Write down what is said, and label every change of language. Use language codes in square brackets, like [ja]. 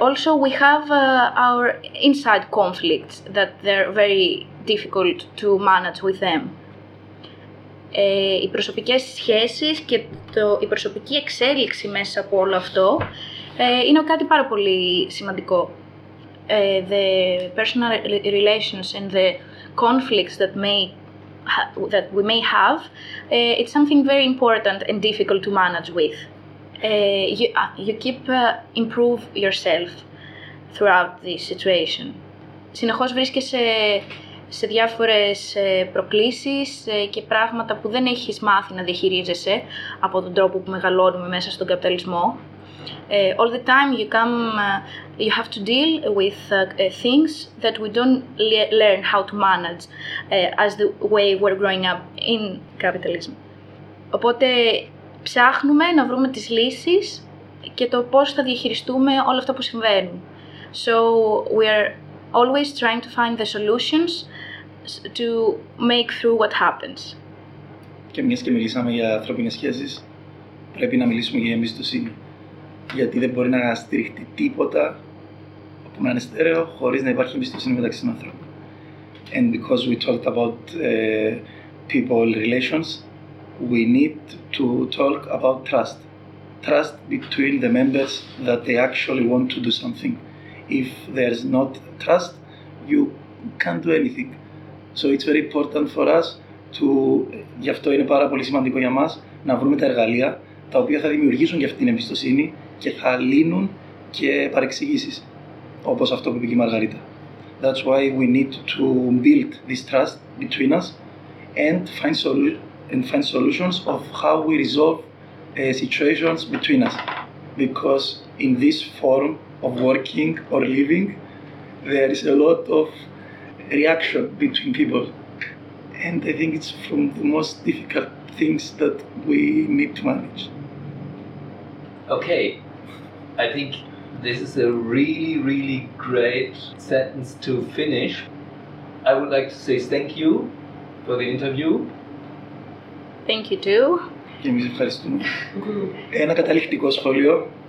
[en] Also, we have our inside conflicts that they're very difficult to manage with them. [el] Οι προσωπικές σχέσεις και η προσωπική εξέλιξη μέσα από όλο αυτό είναι κάτι πάρα πολύ σημαντικό. [en] The personal relations and the conflicts that we may have, it's something very important and difficult to manage with. You keep improve yourself throughout the situation. [el] Συνεχώς βρίσκεσαι σε διάφορες προκλήσεις και πράγματα που δεν έχεις μάθει να διαχειρίζεσαι από τον τρόπο που μεγαλώνουμε μέσα στον καπιταλισμό. [en] All the time you have to deal with things that we don't learn how to manage as the way we're growing up in capitalism. [el] Οπότε ψάχνουμε να βρούμε τις λύσεις και το πώς θα διαχειριστούμε όλα αυτά που συμβαίνουν. [en] So we are always trying to find the solutions to make through what happens. [el] Και μιας και μιλήσαμε για ανθρώπινες σχέσεις, πρέπει να μιλήσουμε για εμπιστοσύνη. Γιατί δεν μπορεί να στηριχτεί τίποτα από έναν στέρεο χωρίς να υπάρχει εμπιστοσύνη μεταξύ των ανθρώπων. [en] And because we talked about people relations, we need to talk about trust. Trust between the members that they actually want to do something. If there's not trust, you can't do anything. So it's very important for us to... [el] Γι' αυτό είναι πάρα πολύ σημαντικό για μας να βρούμε τα εργαλεία τα οποία θα δημιουργήσουν για αυτή την εμπιστοσύνη και θα λύνουν και παρεξηγήσεις, όπως αυτό που είπε η Μαργαρίτα. [en] That's why we need to build this trust between us and find solutions of how we resolve situations between us. Because in this form of working or living, there is a lot of reaction between people. And I think it's from the most difficult things that we need to manage. Okay. I think this is a really, really great sentence to finish. I would like to say thank you for the interview. Thank you too. [el] Και εμείς ευχαριστούμε. Ένα καταληκτικό σχόλιο.